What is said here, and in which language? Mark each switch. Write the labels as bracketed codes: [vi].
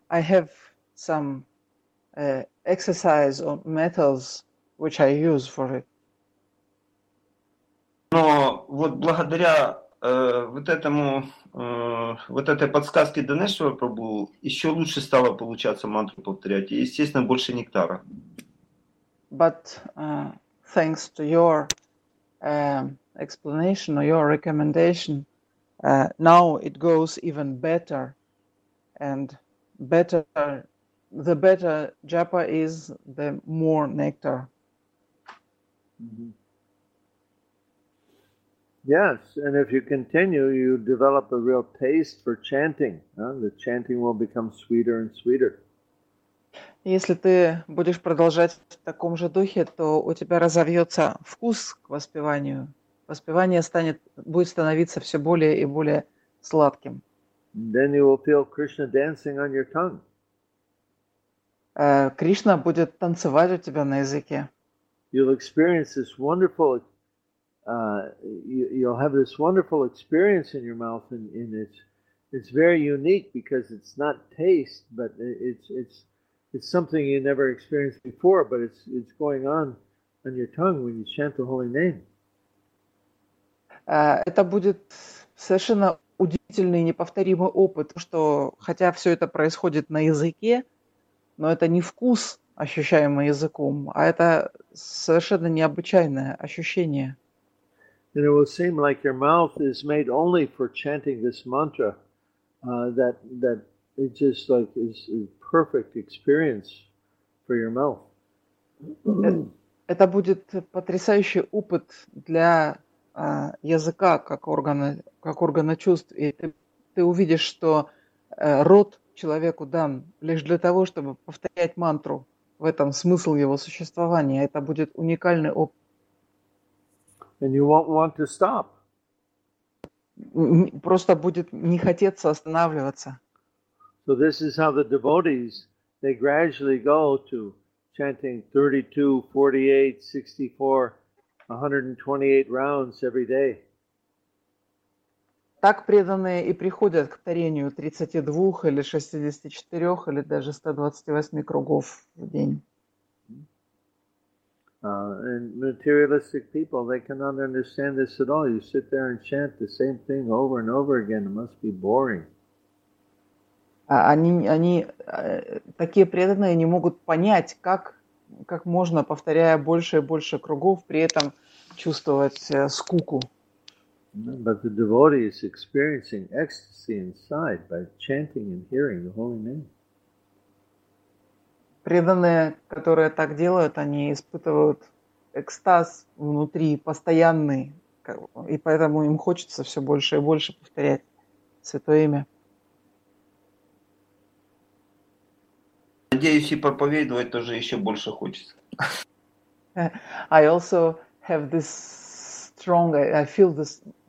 [en] I have some exercise or methods which I use for it. [ru] Но вот благодаря вот этому вот этой подсказке Данешвара Прабху еще лучше стало получаться мантру повторять, и, естественно, больше нектара. [en] But thanks to your explanation or your recommendation, now it goes even better, and better. The better japa is, the more nectar. Mm-hmm. Yes, and if you continue, you develop a real taste for chanting. The chanting will become sweeter and sweeter. [ru] Если ты будешь продолжать в таком же духе, то у тебя разовьется вкус к воспеванию. Воспевание будет становиться все более и более сладким. [en] Then you will feel Krishna dancing on your tongue. [ru] Кришна будет танцевать у тебя на языке. [en] You'll experience this wonderful, you'll have this wonderful experience in your mouth, and it's very unique because it's not taste, but it's something you never experienced before, but it's going on your tongue when you chant the holy name. [ru] Это будет совершенно удивительный, неповторимый опыт, что хотя все это происходит на языке, но это не вкус, ощущаемый языком, а это совершенно необычайное ощущение. [en] And it will seem like your mouth is made only for chanting this mantra, that it just like is a perfect experience for your mouth. [ru] Это будет потрясающий опыт для языка как органа чувств, и ты увидишь, что рот человеку дан лишь для того, чтобы повторять мантру. В этом смысл его существования. Это будет уникальный опыт. [en] And you won't want to stop. [ru] Просто будет не хотеться останавливаться. [en] So this is how the devotees, they gradually go to chanting 32, 48, 64, 128 rounds every day. [ru] Так преданные и приходят к повторению 32 или 64 или даже 128 кругов в день. [en] And materialistic people, they cannot understand this at all. You sit there and chant the same thing over and over again. It must be boring. [ru] Они такие преданные не могут понять, как можно, повторяя больше и больше кругов, при этом чувствовать скуку. [en] But the devotee is experiencing ecstasy inside by chanting and hearing the holy name. [ru] Преданные, которые так делают, они испытывают экстаз внутри постоянный, и поэтому им хочется все больше и больше повторять святое имя. Надеюсь, и проповедовать тоже еще больше хочется. [en] I also have this strong, I feel this.